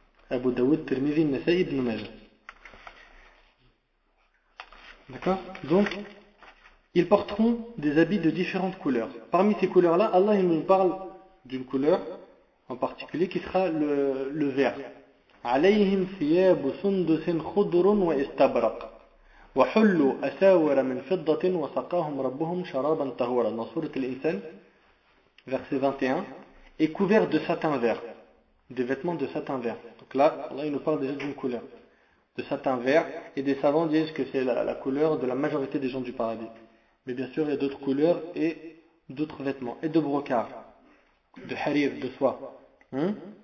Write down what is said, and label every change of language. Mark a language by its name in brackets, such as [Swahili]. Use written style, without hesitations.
[French] Abu Dawud, Tirmidhi, Nasa'i, Ibn Majah. D'accord ? Donc, ils porteront des habits de différentes couleurs. Parmi ces couleurs-là, Allah il nous parle d'une couleur en particulier qui sera le vert. [Arabic] عليهم ثياب سندس خضر واستبرق وحلوا أساور من فضة وسقاهم ربهم شرابا طهورا. [French] Dans Sourate Al-Insan, verset 21, est couvert de satin vert. Des vêtements de satin vert. Donc là, Allah il nous parle déjà d'une couleur. de satin vert, et des savants disent que c'est la couleur de la majorité des gens du paradis. Mais bien sûr, il y a d'autres couleurs et d'autres vêtements, et de brocarts, de harir, de soie. Hein?